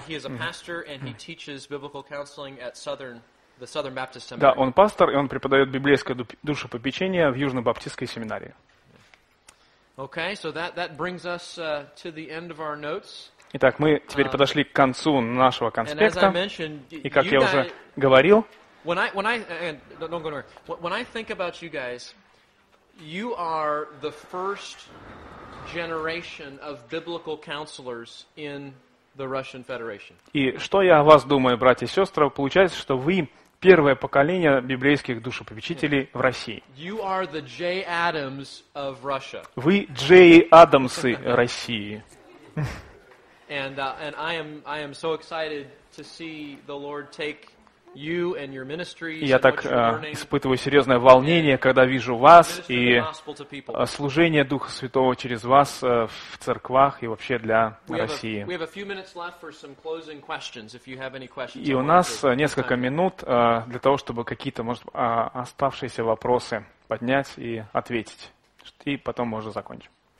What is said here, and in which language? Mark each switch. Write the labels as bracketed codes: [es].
[en] Yeah, he is a pastor, and he teaches biblical counseling at the Southern Baptist Seminary. [ru] Да, он пастор, и он преподает библейское душепопечение в Южно-Баптистской семинарии. [en] Okay, so that brings us to the end of our notes. [ru] Итак, мы теперь подошли к концу нашего конспекта. И как я уже говорил, и что я о вас думаю, братья и сестры, получается, что вы первое поколение библейских душепопечителей в России. [en] You are the Jay Adams of Russia. [ru] Вы Джей Адамсы России. [en] And I am so excited to see the Lord take you and your ministry. [ru] Я так испытываю серьезное волнение, когда вижу вас и служение Духа Святого через вас в церквах и вообще для России. [en] We have a few minutes left for some closing questions. If you have any questions. [ru] И у нас несколько минут для того, чтобы какие-то, может, оставшиеся вопросы поднять и ответить, и потом мы уже закончим.